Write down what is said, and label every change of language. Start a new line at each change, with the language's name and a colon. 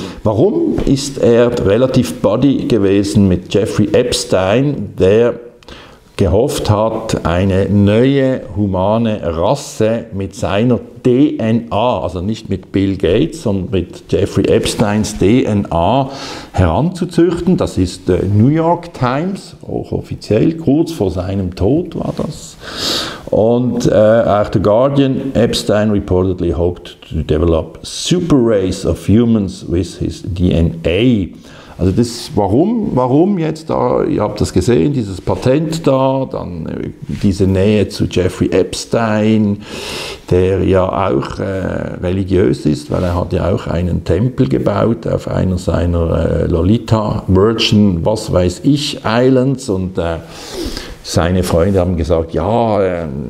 German: Warum ist er relativ Buddy gewesen mit Jeffrey Epstein, der gehofft hat, eine neue humane Rasse mit seiner DNA, also nicht mit Bill Gates, sondern mit Jeffrey Epsteins DNA heranzuzüchten. Das ist New York Times, auch offiziell, kurz vor seinem Tod war das. Und auch
English: The Guardian, Epstein reportedly hoped to develop super race of humans with his DNA.
German: Also das, warum jetzt da, ihr habt das gesehen, dieses Patent da, dann diese Nähe zu Jeffrey Epstein, der ja auch religiös ist, weil er hat ja auch einen Tempel gebaut auf einer seiner Lolita Virgin, was weiß ich, Islands und seine Freunde haben gesagt, ja, er